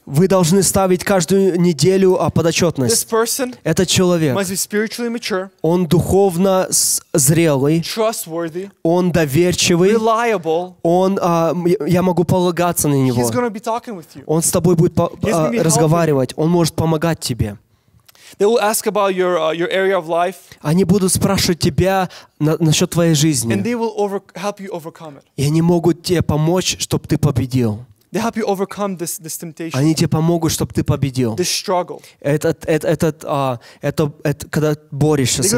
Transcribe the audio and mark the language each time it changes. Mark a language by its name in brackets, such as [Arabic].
[Russian] Вы должны ставить каждую неделю подотчетность. [English] This person, [Russian] этот человек, [English] must be spiritually mature, [Russian] он духовно зрелый, [English] trustworthy, [Russian] он доверчивый, [English] reliable, [Russian] он, я могу полагаться на него. [English] He's gonna be talking with you. [Russian] Он с тобой будет разговаривать, [English] helping. [Russian] Он может помогать тебе. [English] They will ask about your area of life. [Russian] Они будут спрашивать тебя насчет твоей жизни. [English] And they will help you overcome it. [Russian] И они могут тебе помочь, чтобы ты победил. [English] They help you overcome this temptation. [Russian] Они тебе помогут, чтобы ты победил. [English] This struggle. [Russian] Это когда борешься с этим.